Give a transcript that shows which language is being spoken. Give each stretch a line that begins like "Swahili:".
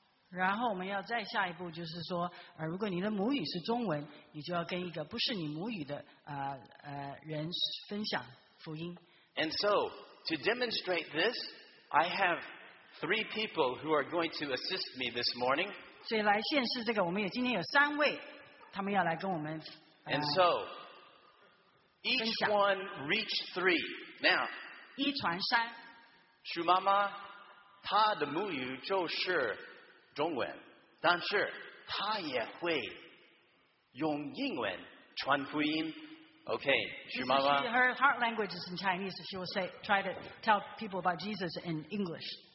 Chinese: 然后我们要再下一步，就是说，如果你的母语是中文，你就要跟一个不是你母语的人分享福音。
English: And so, to demonstrate this, I have three people who are going to assist me this morning.
Chinese: 所以来现世这个，我们也今天有三位，他们要来跟我们。
English: And so, each one reach three. Now,
Chinese: 一传三。舒妈妈，她的母语就是。中文，但是他也会用英文传福音。 OK， 徐妈妈。
English: Her heart language is in Chinese. She will try to tell people about Jesus in English.